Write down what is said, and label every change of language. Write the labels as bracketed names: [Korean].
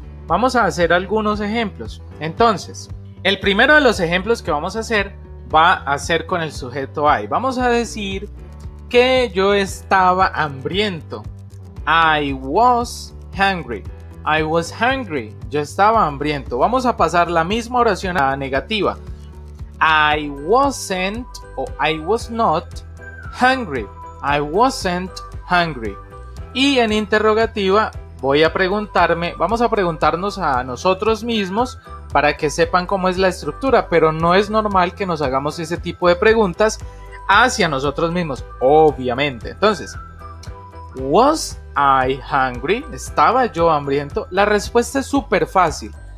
[Spanish] Vamos a hacer algunos ejemplos. Entonces, el primero de los ejemplos que vamos a hacer va a ser con el sujeto I. Vamos a decir que yo estaba hambriento. [English] I was hungry. I was hungry. [Spanish] Yo estaba hambriento. Vamos a pasar la misma oración a negativa. [English] I wasn't o I was not hungry. I wasn't hungry. [Spanish] Y en interrogativa voy a preguntarme, vamos a preguntarnos a nosotros mismos para que sepan cómo es la estructura, pero no es normal que nos hagamos ese tipo de preguntas hacia nosotros mismos, obviamente. Entonces, [English] ¿was I hungry? [Spanish] ¿Estaba yo hambriento? La respuesta es súper fácil.